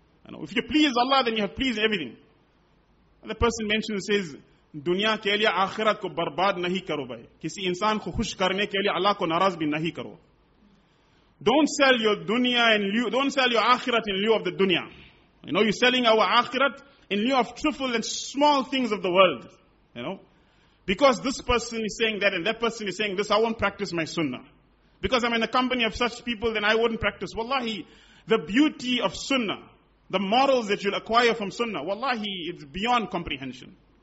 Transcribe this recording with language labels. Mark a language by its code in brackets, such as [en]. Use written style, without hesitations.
[en] You know, if you please Allah, then you have pleased everything. And the person mentioned says, [ur] دنیا کے لیے آخرت کو برباد نہیں کرو بھائی کسی انسان کو خوش کرنے کے لیے اللہ کو ناراض بھی نہیں کرو. [en] Don't sell your آخرت in lieu of the dunya. You know, you're selling our آخرت in lieu of truthful and small things of the world. You know, because this person is saying that and that person is saying this, I won't practice my sunnah. Because I'm in the company of such people, then I wouldn't practice. Wallahi, the beauty of sunnah, the morals that you'll acquire from sunnah, wallahi, it's beyond comprehension.